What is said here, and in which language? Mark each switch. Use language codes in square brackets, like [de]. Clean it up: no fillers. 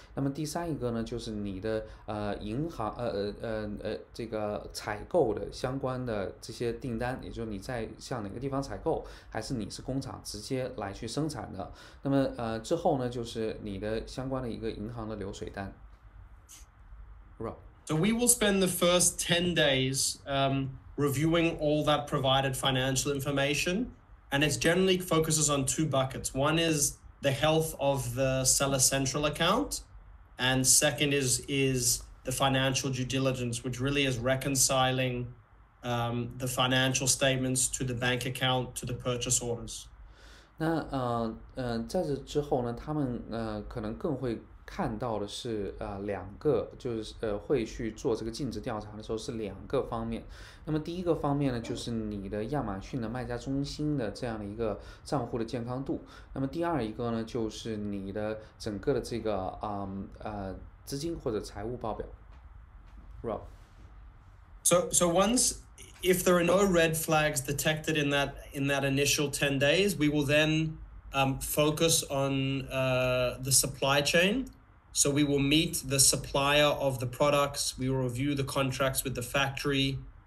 [zh] 那么第三一个呢，就是你的银行这个采购的相关的这些订单，也就是你在向哪个地方采购，还是你是工厂直接来去生产的。那么之后呢，就是你的相关的一个银行的流水单。 [en] Rob. So we will spend the first 10 days reviewing all that provided financial information, And it generally focuses on two buckets. One is the health of the seller central account. And second is the financial due diligence, which really is reconciling the financial statements to the bank account, to the purchase orders. [zh] 那在这之后呢，他们可能更会看到的是两个，就是会去做这个尽职调查的时候是两个方面。那么第一个方面呢，就是你的亚马逊的卖家中心的这样的一个账户的健康度。那么第二一个呢，就是你的整个的这个资金或者财务报表。 [en] Rob. So once if there are no red flags detected in that initial 10 days, we will then focus on the supply chain. So we will meet the supplier of the products. We will review the contracts with the factory.